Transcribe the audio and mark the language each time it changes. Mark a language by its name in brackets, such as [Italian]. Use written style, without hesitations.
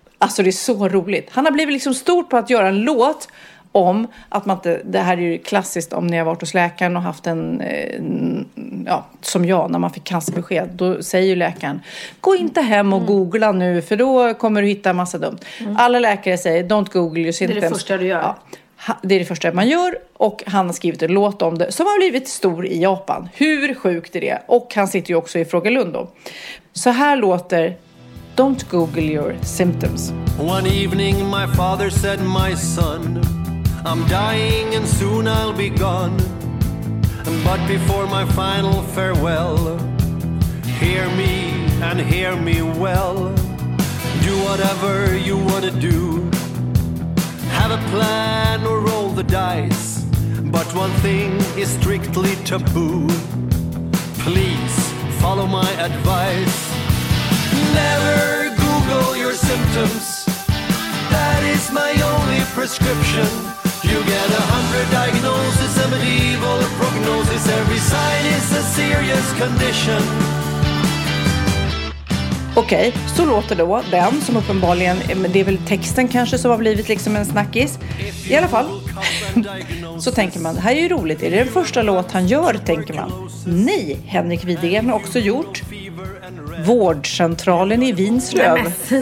[Swedish] Alltså det är så roligt. Han har blivit liksom stor på att göra en låt om att man inte, det här är ju klassiskt om ni har varit hos läkaren och haft en, ja, som jag, när man fick cancerbesked, då säger ju läkaren, gå inte hem och googla nu, för då kommer du hitta massa dumt. Alla läkare säger, [English] don't google your symptoms. [Swedish] Det är det första du gör. Ja, det är det första man gör, och han har skrivit en låt om det, som har blivit stor i Japan. Hur sjukt är det? Och han sitter ju också i Fråga Lund då. Så här låter Don't Google Your Symptoms. [English] One evening my father said, my son, I'm dying and soon I'll be gone. But before my final farewell, hear me and hear me well. Do whatever you wanna do. Have a plan or roll the dice. But one thing is strictly taboo. Please follow my advice. Never Google your symptoms. That is my only prescription. You get 100 diagnoses, a medieval prognosis. Every sign is a serious condition. [Swedish] Okej, så låter då den som uppenbarligen, det är väl texten kanske som har blivit liksom en snackis. I alla fall, så tänker man, det här är ju roligt. Är det den första låt han gör, tänker man. Nej, Henrik Widegren har också gjort Vårdcentralen i Vinslöv.